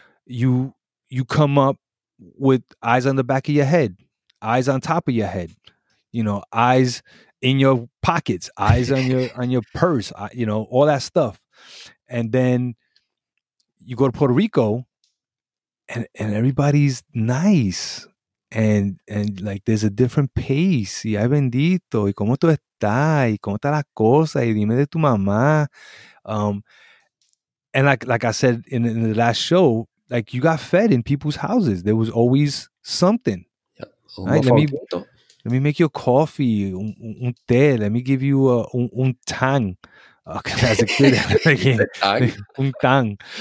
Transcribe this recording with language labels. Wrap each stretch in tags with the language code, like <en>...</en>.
<en>You come up with eyes on the back of your head, eyes on top of your head, you know, eyes in your pockets, eyes on your on your purse, you know, all that stuff. And then you go to Puerto Rico, and everybody's nice, and like there's a different pace.</en> <es>Y ay bendito, y cómo tú estás. Y cómo está la cosa, y dime de tu mamá.</es> <en>And like I said in the last show, like, you got fed in people's houses. There was always something. Yeah. Right? Let me make you a coffee,</en> <es>un té.</es> <en>Let me give you un tang. As a kid, un tang.</en>